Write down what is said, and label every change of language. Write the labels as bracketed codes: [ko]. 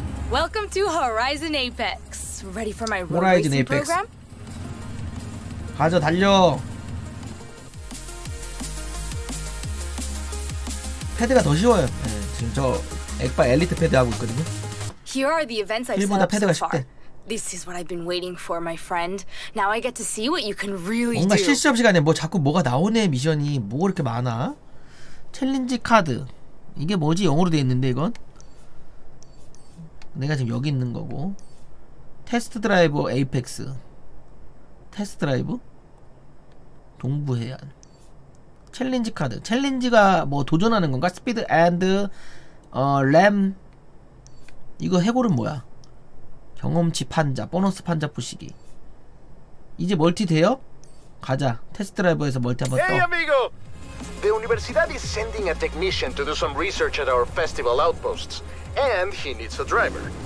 [en] Welcome to Horizon Apex. Ready for my road racing program? [ko] 가자 달려. 패드가 더 쉬워요. 네, 지금 저 액바 엘리트 패드 하고 있거든요. [en] Here are the events I've set up so far. This is what I've been waiting for, my friend. Now I get to see what you can really do. [ko] 뭔가 실시간 시간에 뭐 자꾸 뭐가 나오네. 미션이 뭐 이렇게 많아? 챌린지 카드. 이게 뭐지? 영어로 돼 있는데 이건? 내가 지금 여기 있는 거고. 테스트 드라이브 에이펙스. 테스트 드라이브? 동부 해안. 챌린지 카드. 챌린지가 뭐 도전하는 건가? 스피드 앤드 램. 이거 해골은 뭐야? 경험치 판자, 보너스 판자 부시기. 이제 멀티 돼요? 가자. 테스트 드라이버에서 멀티 한번 떠. [en] Hey amigo. The universidad is sending a technician to do some research at our festival outposts and he needs a driver.